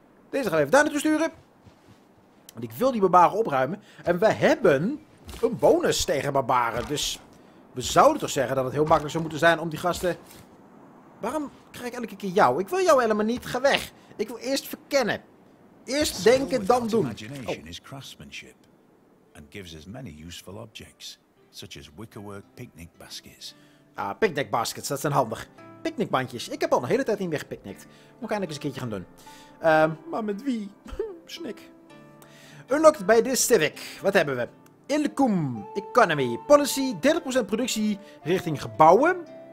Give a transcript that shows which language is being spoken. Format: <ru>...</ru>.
<nl>Deze gaan we even daar naartoe sturen. Want ik wil die barbaren opruimen. En we hebben een bonus tegen barbaren. Dus we zouden toch zeggen dat het heel makkelijk zou moeten zijn om die gasten... Waarom krijg ik elke keer jou? Ik wil jou helemaal niet. Ga weg. Ik wil eerst verkennen. Eerst denken, dan doen.</nl> <en>Imagination is craftsmanship and gives us many useful objects, such as wickerwork picnic baskets. Ah, picnic baskets,</en> <nl>dat zijn handig. Picknickbandjes. Ik heb al een hele tijd niet meer gepicknickt. Moet ik eindelijk eens een keertje gaan doen. Maar met wie? Snik.</nl> <en>Unlocked by this civic.</en> <nl>Wat hebben we?</nl> <en>Income, economy, policy,</en> <nl>30% productie richting gebouwen.</nl>